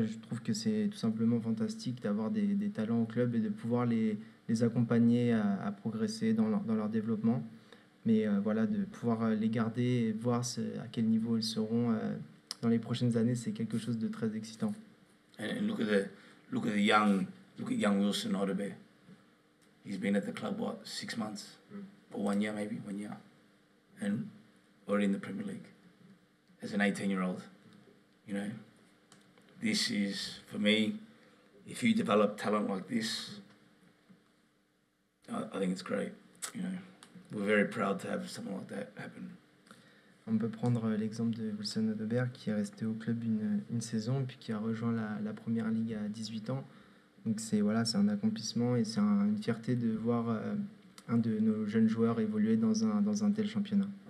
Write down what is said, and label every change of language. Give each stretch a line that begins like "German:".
French: Je trouve que c'est tout simplement fantastique d'avoir des talents au club et de pouvoir les accompagner à progresser dans leur développement. Mais voilà, de pouvoir les garder et voir à quel niveau ils seront dans les prochaines années, c'est quelque chose de très excitant.
English: And look at young Wilson Odebe. He's been at the club what, 6 months, or 1 year maybe, 1 year, and already in the Premier League as an 18-year-old. You know, this is for me. If you develop talent like this, I think it's great. You know. We're very proud to have something like that happen.
French: On peut prendre l'exemple de Wilson Odebert qui est resté au club une saison puis qui a rejoint la première ligue à 18 ans. Donc c'est un accomplissement et c'est une fierté de voir un de nos jeunes joueurs évoluer dans un tel championnat.